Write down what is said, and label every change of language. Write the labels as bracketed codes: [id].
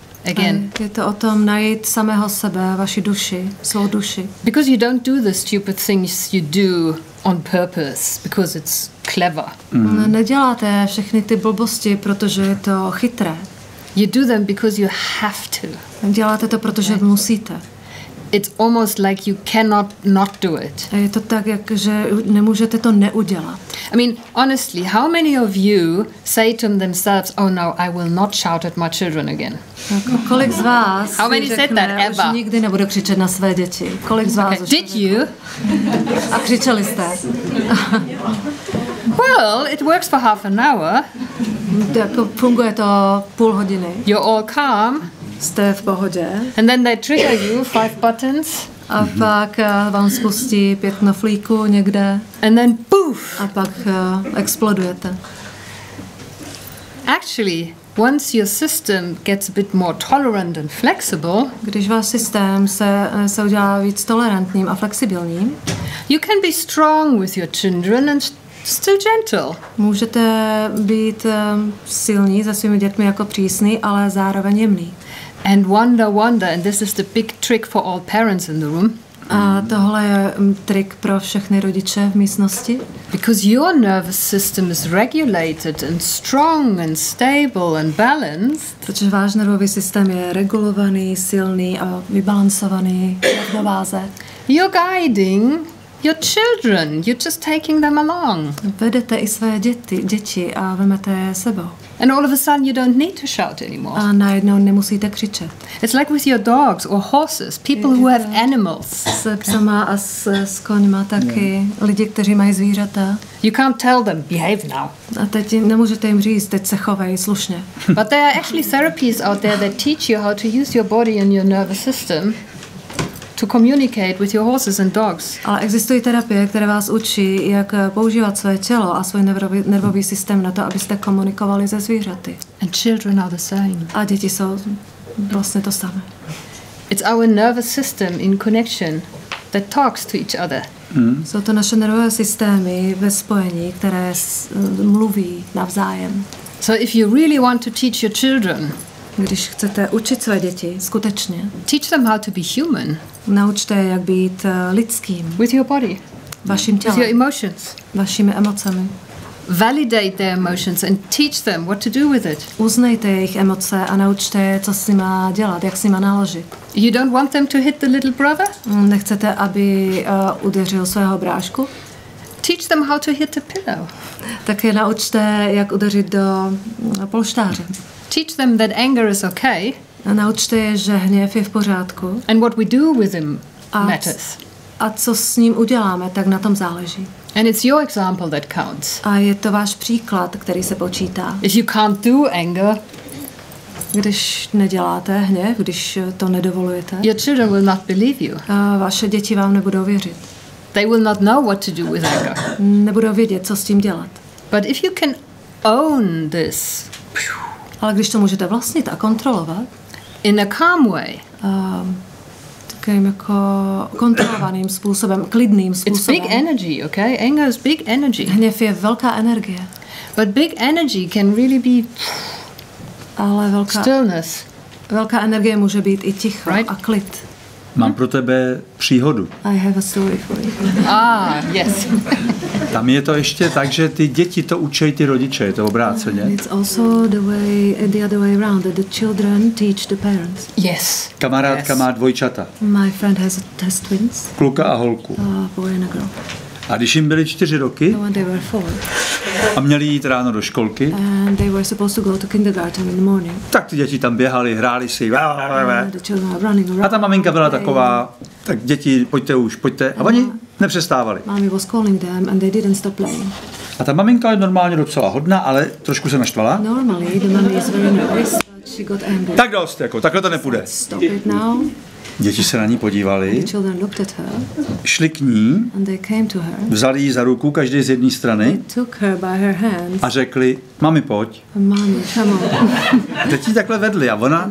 [en] Again. [cs] Je to o tom najít samého sebe, vaši duši, svou duši. [en] Because you don't do the stupid things you do on purpose, because it's clever. [cs] Neděláte všechny ty blbosti, protože je to chytré. [en] You do them because you have to. [cs] Děláte to, protože musíte. [en] It's almost like you cannot not do it. [cs] A je to tak, jakže nemůžete to neudělat. [en] I mean, honestly, how many of you say to themselves, oh no, I will not shout at my children again? [cs] Kolik z vás [en] how many [cs] řekne, [en] said that ever? [cs] Už nikdy nebudu křičet na své děti. Kolik z vás [en] did you? [cs] A křičeli jste. [en] Well, it works for half an hour. [cs] Funguje to půl hodiny. [en] You're all calm. [cs] Jste v pohodě. [en] And then they trigger you 5 buttons. [cs] A pak vám spustí pět knoflíků někde. [en] And then poof. [cs] A pak explodujete. [en] Actually, once your system gets a bit more tolerant and flexible, [cs] když váš systém se udělá víc tolerantním a flexibilním, [en] you can be strong with your children and still gentle. [cs] Můžete být silní se svými dětmi jako přísný, ale zároveň jemný. [en] And wonder, and this is the big trick for all parents in the room. [cs] A tohle je trik pro všechny rodiče v místnosti. [en] Because your nervous system is regulated and strong and stable and balanced. [cs] Protože váš nervový systém je regulovaný, silný a vybalancovaný na váze. [en] You're guiding your children, you're just taking them along. [cs] Vedete i své děti a vezmete je sebou. [en] And all of a sudden you don't need to shout anymore. [cs] A najednou nemusíte křičet. [en] It's like with your dogs or horses, people who have animals. [cs] S psama a s koňma taky, lidi, kteří mají zvířata. [en] You can't tell them, behave now. [cs] A teď nemůžete jim říct, teď se chovej slušně. [en] But there are actually therapies out there that teach you how to use your body and your nervous system to communicate with your horses and dogs. [cs] Ale existují terapie, které vás učí, jak používat své tělo a svůj nervový systém na to, abyste komunikovali se zvířaty. [en] And children are the same. [cs] A děti jsou vlastně to samé. [en] It's our nervous system in connection that talks to each other. [cs] Jsou to naše nervové systémy ve spojení, které mluví navzájem. [en] So if you really want to teach your children, [cs] když chcete učit své děti, skutečně. [en] Teach them how to be human. [cs] Naučte je, jak být lidským. [en] With your body. [cs] Vaším tělem. [en] With your emotions. [cs] Vašimi emocemi. [en] Validate their emotions and teach them what to do with it. [cs] Uznejte jejich emoce a naučte je, co s nima dělat, jak s nima naložit. [en] You don't want them to hit the little brother? [cs] Nechcete, aby udeřil svého brášku? [en] Teach them how to hit the pillow. [cs] Tak je naučte, jak udeřit do polštáře. [en] Teach them that anger is okay. [cs] A naučte je, že hněv je v pořádku. [en] And what we do with him matters. [cs] A co s ním uděláme, tak na tom záleží. [en] And it's your example that counts. [cs] A je to váš příklad, který se počítá. [en] If you can't do anger, [cs] když neděláte hněv, když to nedovolujete, [en] your children will not believe you. [cs] A vaše děti vám nebudou věřit. [en] They will not know what to do with anger. [cs] Nebudou vědět, co s tím dělat. [en] But if you can own this, [cs] ale když to můžete vlastnit a kontrolovat, [en] in a calm way, [cs] takovým jako kontrolovaným způsobem, klidným způsobem. [en] It's big energy, okay? Anger is big energy. [cs] Hněv je velká energie. [en] But big energy can really be [cs] ale velká, [en] stillness. [cs] Velká energie může být i ticho, right? A klid. Mám pro tebe příhodu. [en] I have a story for you. Ah, yes. [cs] Tam je to ještě tak, že ty děti to učí ty rodiče, je to obráceně. [en] It's also the other way around, that the children teach the parents. Yes. [cs] Kamarádka má dvojčata. [en] My friend has twins. [cs] Kluka a holku. [en] Boy and a girl. [cs] A když jim byly 4 roky, [en] when they were 4, [cs] a měli jít ráno do školky, [en] and they were supposed to go to kindergarten in the morning. [cs] Tak ty děti tam běhali, hráli si. [en] The children were running around. [cs] A ta maminka byla taková, tak děti, pojďte už, pojďte. A oni nepřestávali. [en] Mommy was calling them and they didn't stop playing. [cs] A ta maminka je normálně docela hodná, ale trošku se naštvala. [en] Normally the mommy is very nervous, but she got angry. [cs] Tak dost, jako, takhle to nepůjde. [en] Stop it now. [cs] Děti se na ní podívali, [en] her, [cs] šli k ní, [en] and they came to her, [cs] vzali ji za ruku, každý z jedné strany, [en] took her by her hands, [cs] a řekli, mami, pojď. [en] Mami, come on. [cs] A teď ji takhle vedli a ona